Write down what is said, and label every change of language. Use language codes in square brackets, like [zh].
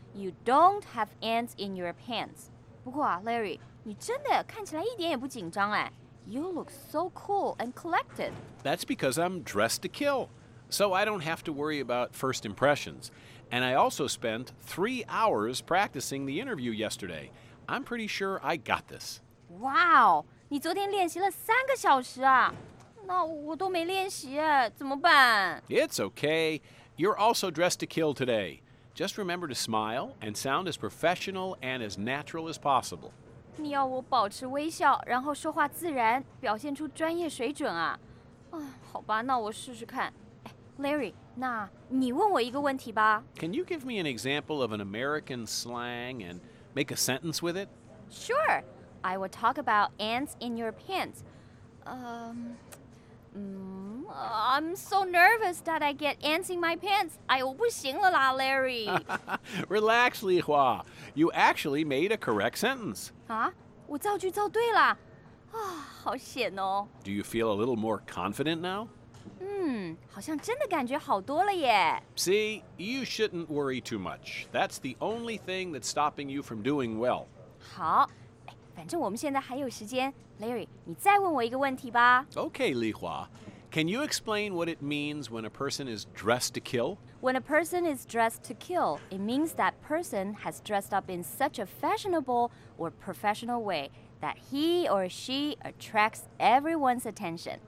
[en] You don't have ants in your pants. [zh] 不过啊 ，Larry， 你真的看起来一点也不紧张哎。 [en] You look so cool and collected. That's because I'm dressed to kill, so I don't have to worry about first impressions. And I also spent 3 hours practicing the interview yesterday. I'm pretty sure I got this. [zh] Wow, 你昨天练习了三个小时啊？那我都没练习，怎么办？ [en] It's okay. You're also dressed to kill today. Just remember to smile and sound as professional and as natural as possible. [zh] 你要我保持微笑，然后说话自然，表现出专业水准啊？好吧，那我试试看。Larry, 那你问我一个问题吧。 [en] Can you give me an example of an American slang and make a sentence with it? Sure. I will talk about ants in your pants. I'm so nervous that I get ants in my pants. [zh] 哎呦，不行了啦 ，Larry。 [en] Relax, Li Hua. You actually made a correct sentence. [zh] 啊，我造句造对了。好险哦。 [en] Do you feel a little more confident now? [zh] 好像真的感觉好多了耶。 [en] See, you shouldn't worry too much. That's the only thing that's stopping you from doing well. [zh] 好。反正我们现在还有时间 ，Larry， 你再问我一个问题吧。 [en] Okay, Li Hua, can you explain what it means when a person is dressed to kill? When a person is dressed to kill, it means that person has dressed up in such a fashionable or professional way that he or she attracts everyone's attention.